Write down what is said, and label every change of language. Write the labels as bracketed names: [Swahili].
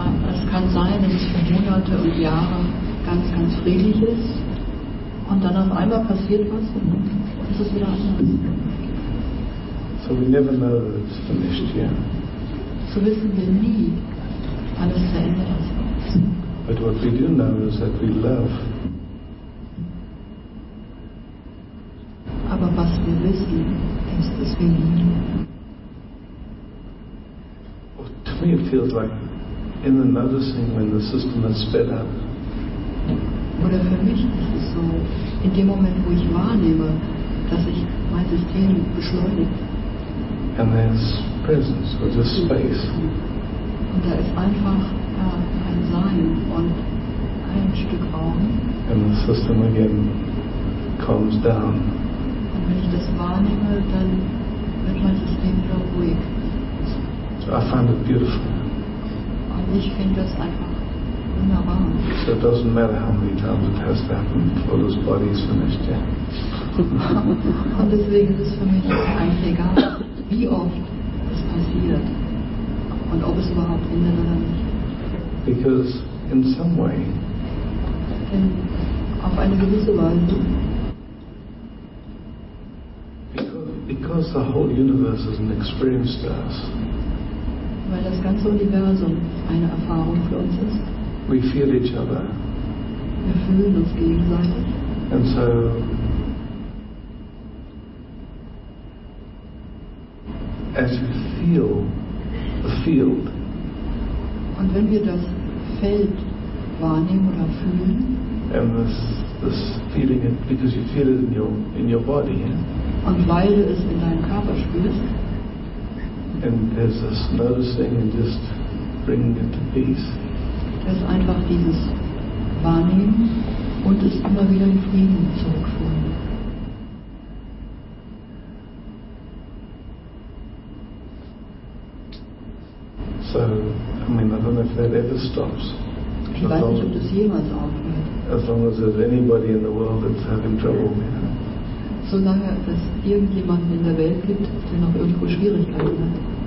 [German] Es kann sein, dass es für Monate und Jahre ganz, ganz friedlich ist und dann auf einmal passiert was und es ist wieder anders. [English] So we never know that it's finished, yeah. [German] So wissen wir nie, wann es zu Ende ist. [English] But what we do know is that we love. [German] Aber was wir wissen, ist, dass wir lieben. [English] Well, to me it feels like in the noticing when the system is sped up. [German] Oder für mich ist es so, in dem Moment, wo ich wahrnehme, dass ich mein System beschleunigt. [English] And there's presence, or just space. [German] Und da ist einfach ein Sein und ein Stück Raum. [English] And the system again calms down. [German] Und wenn ich das wahrnehme, dann wird mein System wieder ruhig. [English] So I find it beautiful. [German] Und ich finde das einfach wunderbar. [English] So it doesn't matter how many times it has to happen before this body is finished, yeah. [German] Und deswegen ist es für mich eigentlich egal, wie oft es passiert und ob es überhaupt ändert oder nicht. [English] Because in some way, [German] denn auf eine gewisse Weise, [English] because the whole universe is an experience to us, [German] weil das ganze Universum eine Erfahrung für uns ist, [English] we feel each other. [German] Wir fühlen uns gegenseitig. [English] And so, as you feel the field, [German] und wenn wir das Feld wahrnehmen oder fühlen, [English] and this feeling it because you feel it in your body, yeah? [German] Und weil du es in deinem Körper spürst, [English] and there's this noticing and just bringing it to peace, [German] das ist einfach dieses Wahrnehmen und es immer wieder in Frieden zurückführen. [English] So, I mean, I don't know if that ever stops. As long as there's anybody in the world that's having trouble, yeah. [German] Solange es irgendjemanden in der Welt gibt, der noch irgendwo Schwierigkeiten hat.